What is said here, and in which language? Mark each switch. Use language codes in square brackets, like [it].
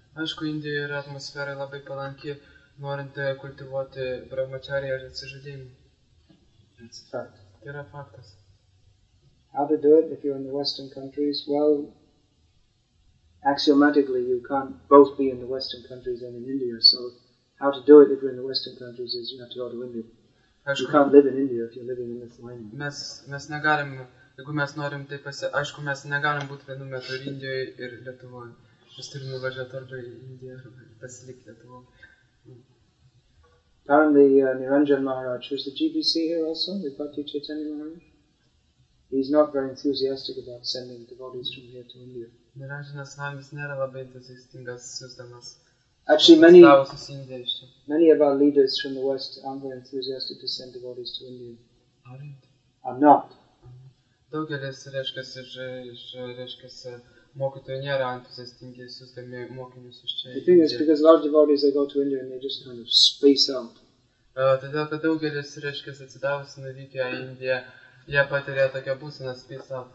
[lt] Aišku, Indijoje yra atmosfera labai palanki, norint kultivuoti brahmacharya ir atsižadėjimą. [en] That's a fact. [lt] Tai yra faktas. [en] How to do it if you're in the Western countries? Well, axiomatically you can't both be in the Western countries and in India, so how to do it if you're in the Western countries is you have to go to India. [lt] Aišku, [en] you can't live in India if you're living in Lithuania. [lt] Mes negalim, jeigu mes norim taip aišku, mes negalim būti vienu metu ir Indijoje ir Lietuvoje. Mes turime važiuoti arba į Indiją arba pasilikti Lietuvoje. [en] Apparently, Niranjan Maharaj, who's the GBC here also, we've got you Chaitanya Maharaj, he's not very enthusiastic about sending devotees from here to India. [lt] Niranjanas Maharaj nėra labai entuziastingas siūsdamas. [en] Actually, many of our leaders from the West aren't very enthusiastic to send devotees to India. I'm not. [lt] Daugelis reiškias iš reiškias mokytojų nėra entuziastingi siūsdami mokinius iš čia. [en] The thing is, because a lot of devotees, they go to India and they just kind of space out. [lt] Todėl, kad daugelis reiškias atsidavusi nuvykę į Indiją, jie patiria tokią būseną [en] space out.